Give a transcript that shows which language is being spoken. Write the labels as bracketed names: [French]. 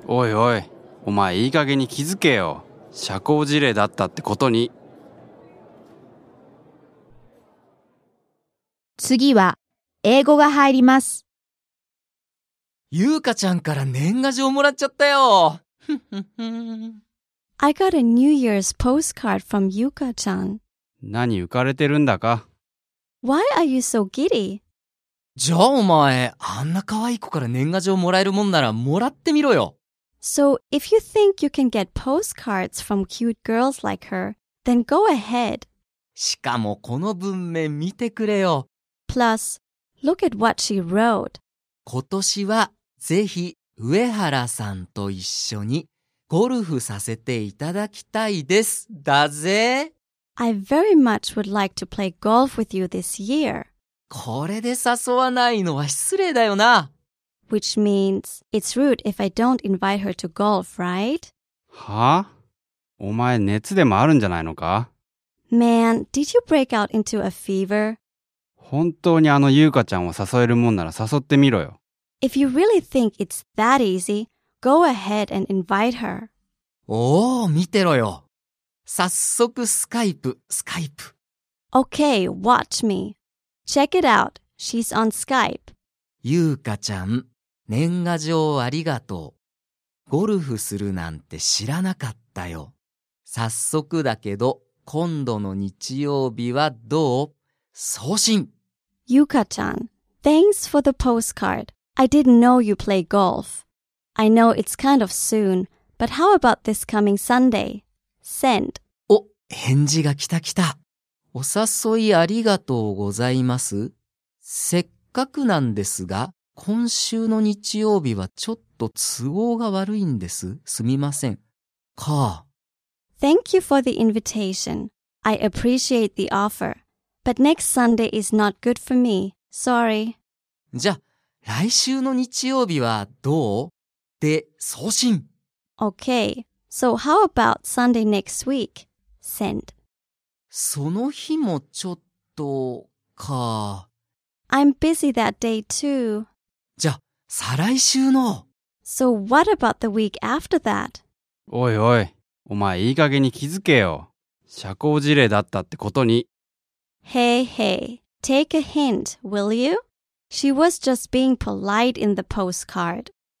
[Japanese] おいおい、お前いい加減に気づけよ。社交辞令だったってことに。次は、英語が入ります。ゆうかちゃんから年賀状もらっちゃったよ。 [English] I got a New Year's postcard from Yuka-chan. [Japanese] 何浮かれてるんだか。 [English] Why are you so giddy? [Japanese] じゃあお前、あんな可愛い子から年賀状もらえるもんならもらってみろよ。 [English] So if you think you can get postcards from cute girls like her, then go ahead. [Japanese] しかもこの文面見てくれよ。 [English] PlusLook at what she wrote. [Japanese] 今年はぜひ上原さんと一緒にゴルフさせていただきたいですだぜ。 [English] I very much would like to play golf with you this year. [Japanese] これで誘わないのは失礼だよな。 [English] Which means it's rude if I don't invite her to golf, right? [Japanese] はあ？お前熱でもあるんじゃないのか？ [English] Man, did you break out into a fever? [Japanese] 本当にあの優香ちゃんを誘えるもんなら誘ってみろよ。 [English] If you really think it's that easy, go ahead and invite her. [Japanese] おお、見てろよ。早速スカイプ、スカイプ。 [English] Okay, watch me. Check it out. She's on Skype. [Japanese] ゆうかちゃん、年賀状ありがとう。ゴルフするなんて知らなかったよ。早速だけど、今度の日曜日はどう？送信。ゆうかちゃん、 [English] Thanks for the postcard. I didn't know you play golf. I know it's kind of soon, but how about this coming Sunday? Send. [Japanese] お、返事が来た来た。お誘いありがとうございます。せっかくなんですが、今週の日曜日はちょっと都合が悪いんです。すみません。か。 [English] Thank you for the invitation. I appreciate the offer. But next Sunday is not good for me. Sorry. [Japanese] じゃあ、来週の日曜日はどう？で、送信。 [English] Okay. So how about Sunday next week? Send. [Japanese] その日もちょっとか。 [English] I'm busy that day too. [Japanese] じゃあ、再来週の。 [English] So what about the week after that? [Japanese] おいおい、お前いい加減に気づけよ。社交辞令だったってことに。 [English] Hey, hey, take a hint, will you? She was just being polite in the postcard.